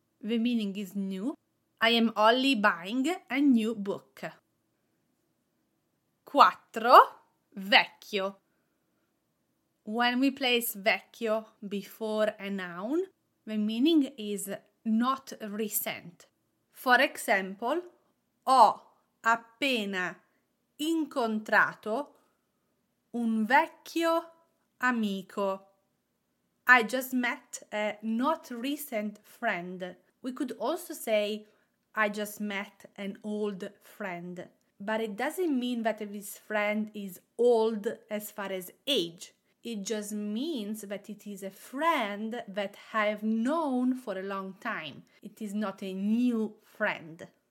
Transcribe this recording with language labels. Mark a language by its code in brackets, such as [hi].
[en] The meaning is new. I am only buying a new book. 4. Vecchio. When we place vecchio before a noun, the meaning is not recent. For example, [it] ho appena incontrato un vecchio amico. [en] I just met a not recent friend. We could also say I just met an old friend. But it doesn't mean that this friend is old as far as age. It just means that it is a friend that I have known for a long time. It is not a new friend.